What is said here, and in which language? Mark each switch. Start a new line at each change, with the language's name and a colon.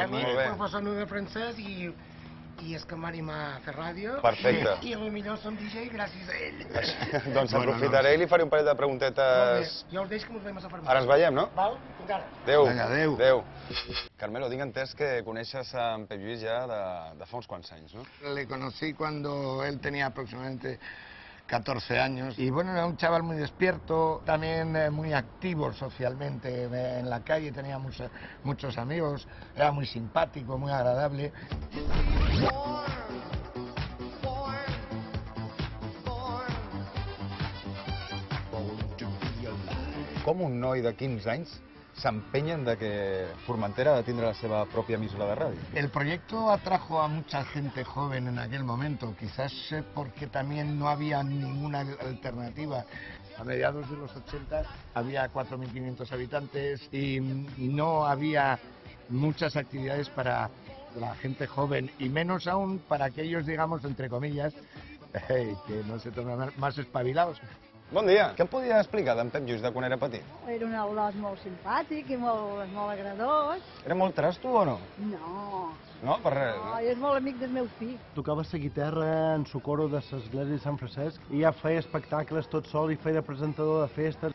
Catalan: A mi, professor meu de francès i és que m'anima a fer ràdio. Perfecte. I el millor som DJ gràcies a ell. Doncs aprofitaré i li faré un parell de preguntetes. Molt bé, jo us deixo que ens veiem a la farmàcia. Ara ens veiem, no? Val, fins ara. Adéu. Vinga, adéu. Adéu. Carmelo, tinc entès que coneixes en Pep Lluís ja de fa uns quants anys, no?
Spanish: Le conocí cuando él tenía aproximadamente 14 años y bueno, era un chaval muy despierto, también muy activo socialmente en la calle, tenía muchos amigos, era muy simpático, muy agradable.
Catalan: Com un noi de 15 anys s'empenyen de que Formentera ha de tindre la seva pròpia emissora de ràdio?
Spanish: El proyecto atrajo a mucha gente joven en aquel momento, quizás porque también no había ninguna alternativa. A mediados de los 80 había 4.500 habitantes y no había muchas actividades para la gente joven, y menos aún para aquellos, digamos, entre comillas, que no se tomen más espabilados.
Catalan: Bon dia. Què em podia explicar d'en Pep Lluís de quan era petit? Era un al·lòs molt simpàtic i molt agradós. Era molt trasto o no? No. No, per res. No, és molt amic del meu fill. Tocava la guitarra en socorro de l'església de Sant Francesc i ja feia espectacles tot sol i feia de presentador de festes.